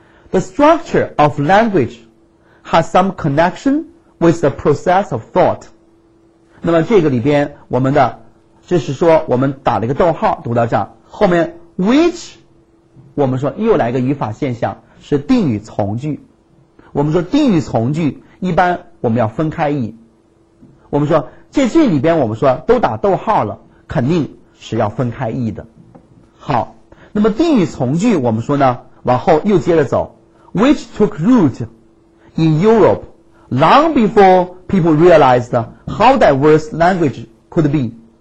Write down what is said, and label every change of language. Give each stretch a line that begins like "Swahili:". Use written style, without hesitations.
English: The structure of language has some connection with the process of thought。
Chinese: 那么这个里边我们的就是说我们打了一个逗号读到这儿，后面Which， 我们说又来个语法现象，是定语从句。我们说定语从句一般我们要分开译，我们说在这里边我们说都打逗号了，肯定是要分开译的。好，那么定语从句我们说呢，往后又接着走，
English: Which took root in Europe long before people realized how diverse language could be.